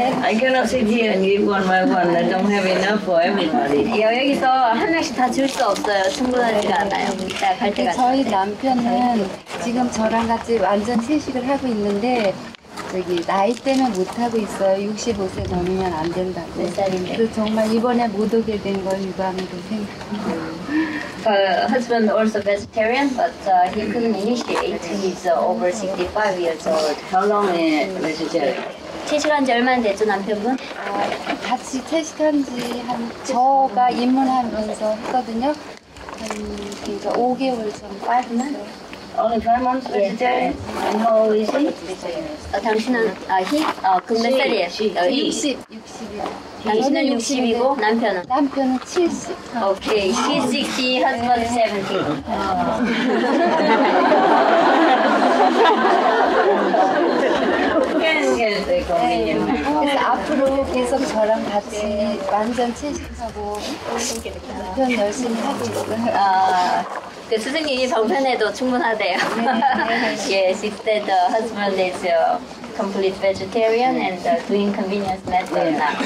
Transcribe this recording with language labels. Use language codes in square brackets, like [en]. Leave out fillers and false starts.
[en] I cannot sit here and eat one by one. I don't have enough for everybody. [ko] 야, 여기서 한 명씩 다 줄 수 없어요. 충분하지가 않아요. 저희 남편은 지금 저랑 같이 완전 채식을 하고 있는데 저기 나이 때문에 못하고 있어요. 65세 넘으면 안 된다고. 몇 살인데? 그 정말 이번에 못 오게 된 걸 유감으로 생각해요. [en] Her husband also vegetarian, but he couldn't initiate. He's over 65 years old. How long is vegetarian? [ko] 채식한 지 얼마나 됐죠, 남편분? 같이 채식한 지 한 저가 입문하면서 했거든요. 5개월 전. [en] 5 months? Only 5 months vegetarian? Yes. And how old is he? [ko] 당신은 몇 살이에요? 60. 당신은 60이고 남편은? 남편은 70. [en] Okay. She's 60, husband 70. Yeah. [ko] 그래서 앞으로 계속 저랑 같이 완전 채식하고 남편 열심히 하고 있어요. 그 스승님이 병편에도 충분하대요. [en] Yes, he said the husband is a complete vegetarian and doing convenience method now.